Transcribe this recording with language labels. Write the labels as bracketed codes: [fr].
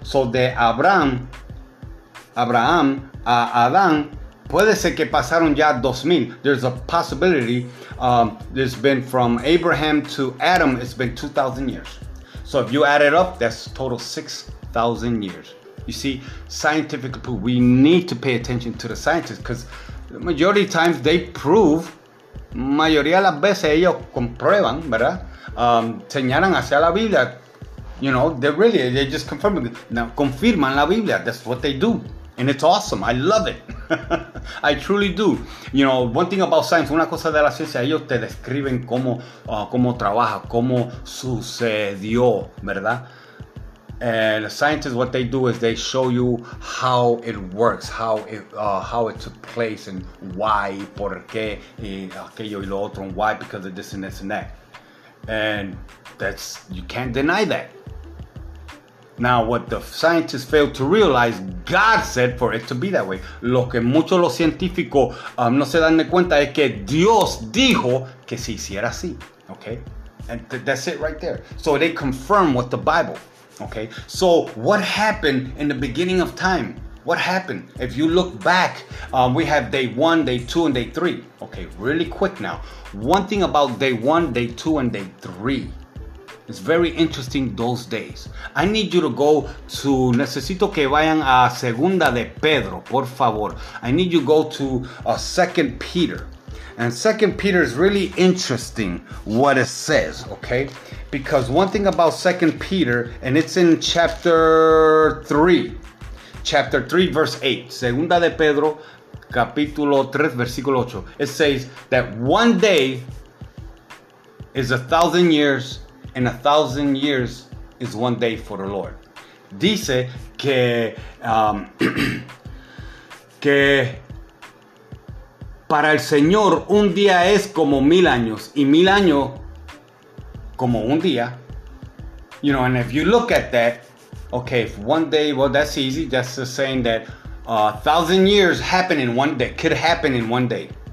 [es] So de Abraham a Adán, puede ser que pasaron ya 2,000. [en] There's a possibility. There's been from Abraham to Adam, it's been 2,000 years. So if you add it up, that's total 6,000 years. You see, scientific proof. We need to pay attention to the scientists, because the majority of times they prove, mayoría de las veces ellos comprueban, ¿verdad? Señalan hacia la Biblia. You know, they're just confirming. Now, confirman la Biblia. That's what they do. And it's awesome. I love it. I truly do. [es] You know, one thing about science, una cosa de la ciencia, ellos te describen cómo trabaja, cómo sucedió, ¿verdad? [en] And scientists, what they do is they show you how it works, how it took place, and why, por qué, y aquello y lo otro, and why, because of this and this and that. And that's, you can't deny that. Now, what the scientists failed to realize, God said for it to be that way. [es] Lo que muchos los científicos no se dan de cuenta es que Dios dijo que se hiciera así, okay? [en] And that's it right there. So they confirm what the Bible, okay? So what happened in the beginning of time? What happened? If you look back, we have day 1, day 2, and day 3. Okay, really quick now. One thing about day 1, day 2, and day 3. It's very interesting those days. I need you to go to, necesito que vayan a Segunda de Pedro, por favor. I need you to go to Second Peter. And Second Peter is really interesting what it says, okay? Because one thing about Second Peter, and it's in chapter 3. [es] chapter 3, verse 8. Segunda de Pedro, capítulo 3, versículo 8. [en] It says that one day is 1,000 years, and 1,000 years is one day for the Lord. [es] Dice que, que para el Señor un día es como 1,000 años, y 1,000 años como un día. [en] You know, and if you look at that, okay, if one day, well, that's easy. That's just saying that 1,000 years happen in one day, could happen in one day.